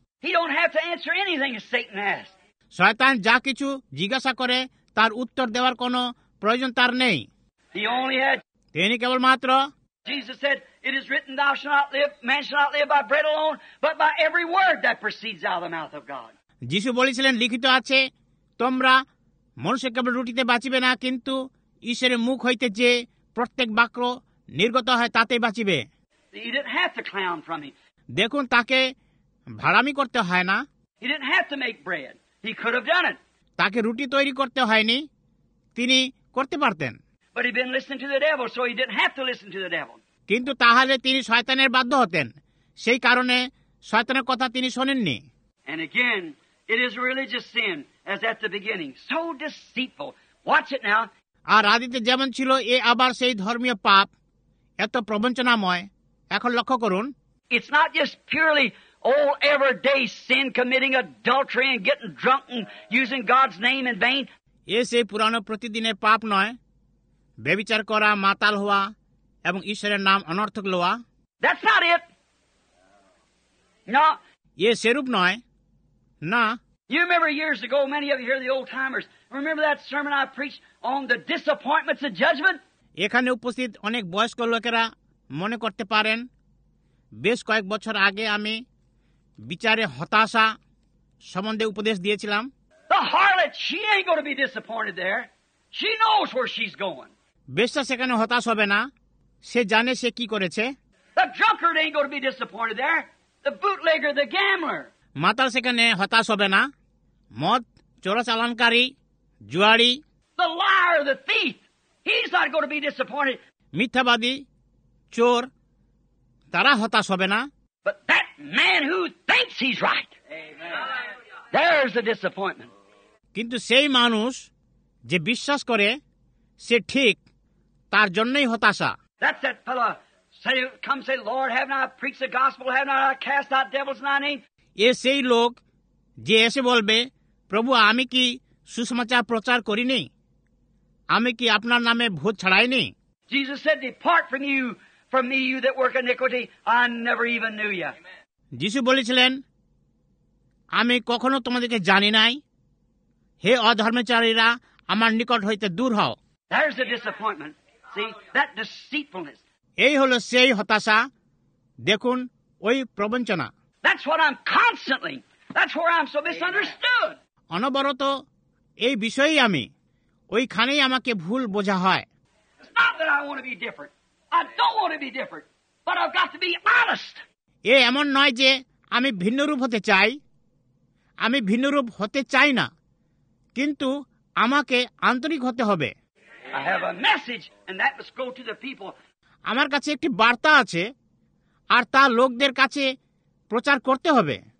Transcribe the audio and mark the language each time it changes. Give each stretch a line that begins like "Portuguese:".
English: He don't have to answer anything Satan asks.
Bangla: শয়তান যা কিছু জিজ্ঞাসা করে তার উত্তর দেওয়ার কোন প্রয়োজন তার নেই।
English: He only had...
Bangla: তিনি কেবল মাত্র
English: Jesus said, "It is written, 'Thou shalt not live, man shall not live by bread alone, but by every word that proceeds out of the mouth of God."
Bangla: যিশু বলেছিলেন, লিখিত আছে, তোমরা মনুষ্য কেবল রুটিতে বাঁচিবে না, কিন্তু ঈশ্বরের মুখ হইতে যে প্রত্যেক বাক্য নির্গত হয় তাতেই বাঁচিবে।
English: He didn't have to clown from him.
Bangla: দেখুন, তাকে ভাড়ামি করতে হয় না।
English: He didn't have to make bread. He could have done it.
Bangla: তাকে রুটি তৈরি করতে হয়নি, তিনি করতে পারতেন।
English: But he'd been listening to the devil, so he didn't have to listen to the devil.
Bangla: কিন্তু তাহলে তিনি শয়তানের বাধ্য হতেন, সেই কারণে শয়তানের কথা তিনি শোনেননি।
English: And again, it is a religious sin, as at the beginning. So deceitful. Watch it now.
Bangla: আর আদিতে যেমন ছিল, এ আবার সেই ধর্মীয় পাপ, এত প্রবঞ্চনাময়। এখন লক্ষ্য করুন,
English: It's not just purely old everyday sin, committing adultery and getting drunk and using God's name in vain.
Bangla: এ সেই পুরানো প্রতিদিনের পাপ নয়, ব্যভিচার করা, মাতাল হওয়া এবং ঈশ্বরের নাম অনর্থক লওয়া।
English: That's not it. No.
Bangla: এ সেরূপ নয়, না।
English: You remember years ago, many of you here, the old timers, remember that sermon I preached on the disappointments of judgment?
Bangla: এখানে উপস্থিত অনেক বয়স্ক লোকেরা মনে করতে পারেন, বেশ কয়েক বছর আগে আমি বিচারে হতাশা সম্বন্ধে উপদেশ দিয়েছিলাম।
English: The harlot, she ain't going to be disappointed there. She knows where she's going.
Bangla: বেশটা সেখানে হতাশ হবে না, সে জানে সে কি করেছে।
English: The drunkard ain't going to be disappointed there. The bootlegger, the gambler.
Bangla: মাতাল সেখানে হতাশ হবে না, মদ চোরাচালানকারী, জুয়াড়ি।
English: The liar, the thief, he's not going to be disappointed.
Bangla: মিথ্যাবাদী, চোর, তারা হতাশ হবে না।
English: But that man who thinks he's right, Amen. There's a disappointment.
Bangla: কিন্তু সেই মানুষ যে বিশ্বাস করে সে ঠিক, তার জন্যই হতাশা।
English: That's that fellow saying, come say, Lord, haven't I preached the gospel? Haven't I cast out devils in thy name?
Bangla: এ সেই লোক যে এসে বলবে, প্রভু আমি কি সুসমাচার প্রচার করিনি, আমি কি আপনার নামে ভূত ছড়াইনি।
English: Jesus said, depart from you, from me, you that work iniquity, I never even knew you.
Bangla: যিশু বলেছিলেন, আমি কখনো তোমাদেরকে জানি নাই, হে অধর্মচারীরা আমার নিকট হইতে দূর হও।
English: There's a disappointment. See, that deceitfulness.
Bangla: এই হলো সেই হতাশা, দেখুন ওই প্রবঞ্চনা।
English: That's what I'm constantly, that's where I'm so misunderstood.
Bangla: অনবরত এই বিষয়েই আমি, ওইখানেই আমাকে ভুল বোঝা হয়।
English: It's not that I want to be different. I don't want to be different. But I've got to be honest.
Bangla: এ এমন নয় যে আমি ভিন্ন রূপ হতে চাই, আমি ভিন্ন রূপ হতে চাই না, কিন্তু আমাকে আন্তরিক হতে হবে।
English: I have a message and that must go to the people.
Bangla: আমার কাছে একটি বার্তা আছে আর তা লোকদের কাছে প্রচার করতে হবে।